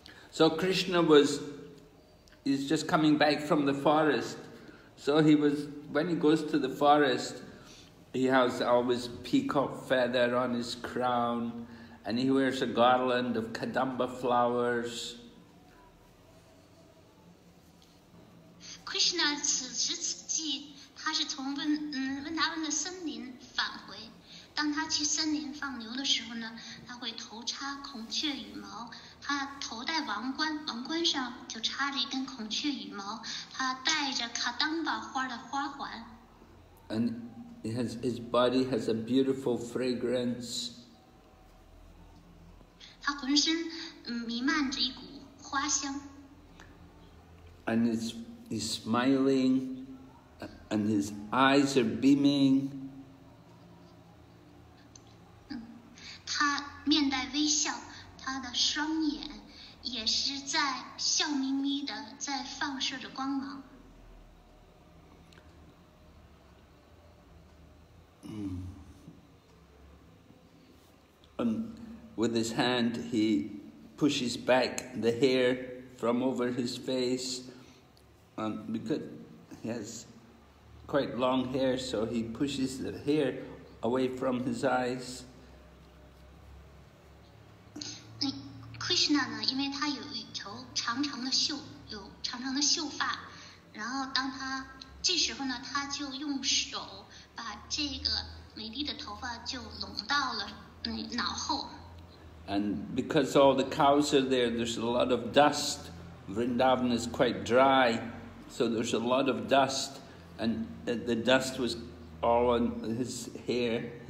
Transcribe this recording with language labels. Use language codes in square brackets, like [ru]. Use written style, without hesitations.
[en] So Krishna is just coming back from the forest. So when he goes to the forest, he has always peacock feather on his crown and he wears a garland of kadamba flowers. [zh] Krishna 此时此际他是从温达文的森林返回，当他去森林放牛的时候呢，他会头插孔雀羽毛，他头戴王冠上就插着一根孔雀羽毛，他戴着kadamba花的花环。 [en] And his body has a beautiful fragrance. [zh] 他浑身弥漫着一股花香。 [en] And he's smiling and his eyes are beaming. [zh] 他面带微笑，他的双眼也是在笑眯眯的，在放射着光芒。 [en] With his hand, he pushes back the hair from over his face. Because he has quite long hair, so he pushes the hair away from his eyes. [zh] Krishna, 呢，因为他有一头长长的秀，有长长的秀发，然后当他这时候呢，他就用手把这个美丽的头发就拢到了脑后。 [en] And because all the cows are there, there's a lot of dust. Vrindavan is quite dry, so there's a lot of dust, and the dust was all on his hair.